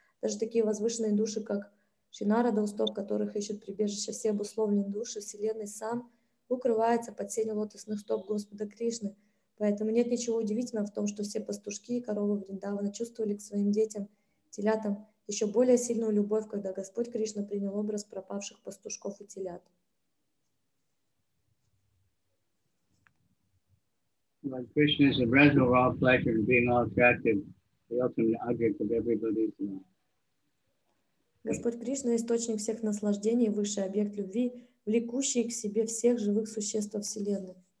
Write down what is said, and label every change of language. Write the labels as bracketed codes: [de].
[ru] Даже такие возвышенные души, как Шинарада, у стоп которых ищут прибежище все обусловленные души, Вселенной сам укрывается под сенью лотосных стоп Господа Кришны. Поэтому нет ничего удивительного в том, что все пастушки и коровы Вриндавана чувствовали к своим детям, телятам, еще более сильную любовь, когда Господь Кришна принял образ пропавших пастушков и телят. [en] Like Krishna is a reservoir of all pleasure and being all attractive, the ultimate object of everybody's love. [ru] Господь Кришна – источник всех наслаждений, высший объект любви, влекущий к себе всех живых существ во Вселенной.